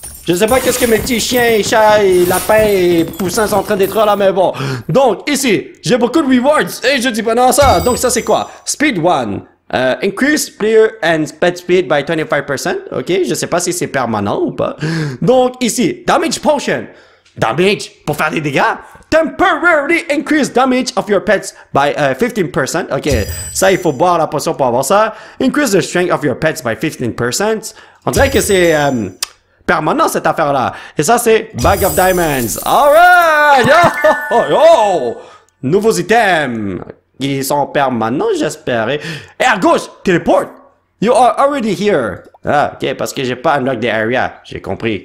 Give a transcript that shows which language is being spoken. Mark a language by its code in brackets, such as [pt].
[fr] Je sais pas qu'est-ce que mes petits chiens, chats, lapins et poussins sont en train d'être là, mais bon. Donc, ici, j'ai beaucoup de rewards et je dis pas non à ça. Donc, ça, c'est quoi? Speed 1. [en] Increase player and pet speed by 25%. [fr] Ok, je sais pas si c'est permanent ou pas. Donc, ici, damage potion. damage pour faire des dégâts. [en] Temporarily increase damage of your pets by 15%. [fr] Ok, ça il faut boire la potion pour avoir ça. [en] Increase the strength of your pets by 15%. [fr] On dirait que c'est permanent cette affaire là. Et ça c'est Bag of Diamonds. Alright, yo, yo, nouveaux items. Ils sont permanents, j'espérais. Et à gauche, téléport. [en] You are already here. [fr] Ah, ok, parce que j'ai pas [en] unlock the area. [fr] J'ai compris.